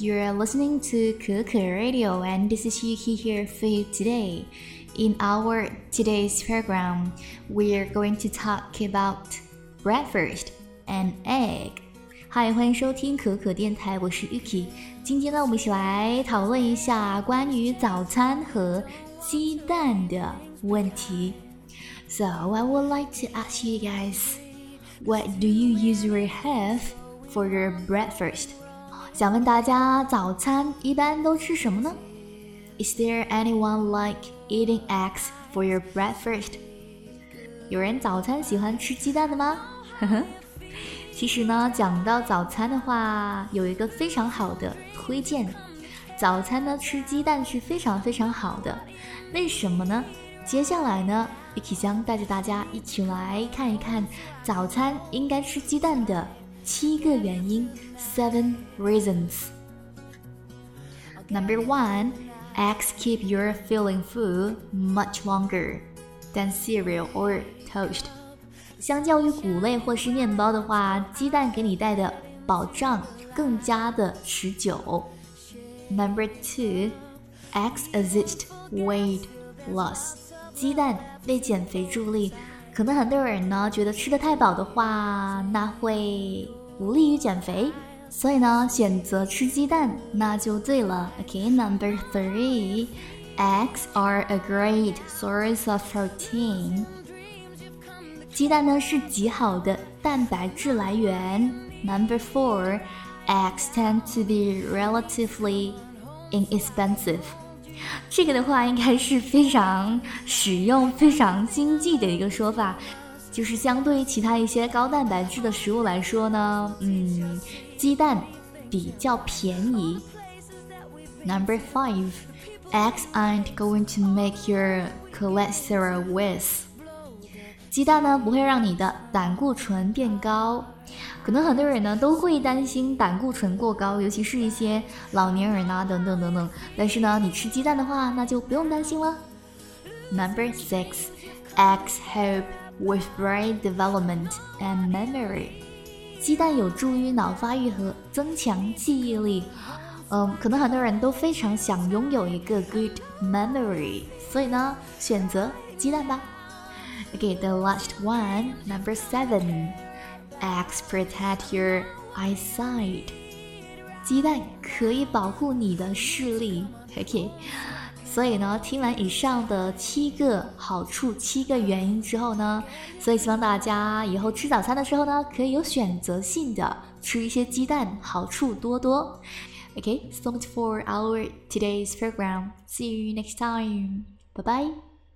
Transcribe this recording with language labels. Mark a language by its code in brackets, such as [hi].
[en] You're listening to Keke Radio, and this is Yuki here for you today. In our today's program, we're going to talk about breakfast and egg. [zh] Hi, 欢迎收听可可电台，我是 Yuki。今天呢，我们一起来讨论一下关于早餐和鸡蛋的问题。 [en] So, I would like to ask you guys, what do you usually have? For your breakfast, [zh] 想问大家早餐一般都吃什么呢? [en] Is there anyone like eating eggs for your breakfast? [zh] 有人早餐喜欢吃鸡蛋的吗?其实呢，讲到早餐的话，有一个非常好的推荐。早餐呢，吃鸡蛋是非常非常好的。为什么呢?接下来呢，一起将带着大家一起来看一看早餐应该吃鸡蛋的七个原因 [en] 7 reasons. Number 1, eggs keep your filling full much longer than cereal or toast. [zh] 相较于谷类或是面包的话，鸡蛋给你带的饱胀更加的持久。 [en] Number 2, eggs assist weight loss. [zh] 鸡蛋为减肥助力，可能很多人呢觉得吃得太饱的话，那会不利于减肥，所以呢，选择吃鸡蛋那就对了。 [en] Okay, number 3, eggs are a great source of protein. [zh] 鸡蛋呢是极好的蛋白质来源。 [en] Number 4, eggs tend to be relatively inexpensive. [zh] 这个的话应该是非常实用、非常经济的一个说法。就是相对于其他一些高蛋白质的食物来说呢，鸡蛋比较便宜。 [en] Number 5, eggs aren't going to make your cholesterol worse. [zh] 鸡蛋呢不会让你的胆固醇变高。可能很多人呢都会担心胆固醇过高，尤其是一些老年人啊等等等等。但是呢，你吃鸡蛋的话，那就不用担心了。 [en] Number 6, eggs help. With brain development and memory. [zh] 鸡蛋有助于脑发育和增强记忆力。可能很多人都非常想拥有一个 [en] good memory. [zh] 所以呢，选择鸡蛋吧。 [en] Okay, the last one, number 7. Eggs protect your eyesight. [zh] 鸡蛋可以保护你的视力。 [en] Okay. [zh] 所以呢，听完以上的七个好处、七个原因之后呢，所以希望大家以后吃早餐的时候呢，可以有选择性的吃一些鸡蛋，好处多多。 [en] Okay, so much for our today's program. See you next time. Bye bye.